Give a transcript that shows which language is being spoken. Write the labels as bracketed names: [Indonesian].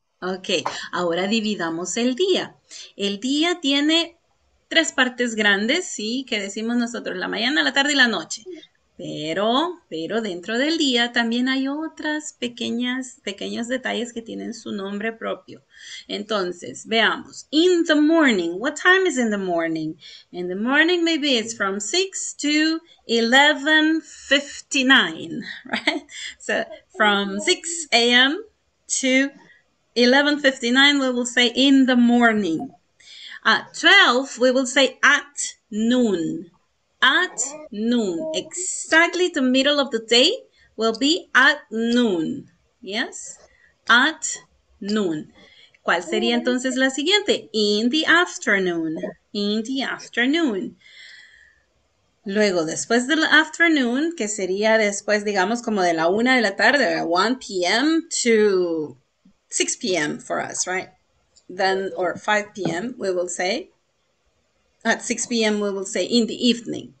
[Spanish] Ok, ahora dividamos el día. El día tiene tres partes grandes, ¿sí? Que decimos nosotros, la mañana, la tarde y la noche. Pero dentro del día también hay otras pequeños detalles que tienen su nombre propio. Entonces, veamos. [English] In the morning. What time is in the morning? In the morning, maybe it's from 6 to 11:59, right? So, from 6 a.m. to 11:59, we will say in the morning. At 12, we will say at noon. At noon, exactly the middle of the day will be at noon, yes? At noon. [Spanish] ¿Cuál sería entonces la siguiente? [English] In the afternoon, in the afternoon. [Spanish] Luego, después del afternoon, que sería después, digamos, como de la una de la tarde, 1 p.m. [English] to 6 p.m. for us, right? Then, or 5 p.m., we will say, at 6 p.m., we will say in the evening.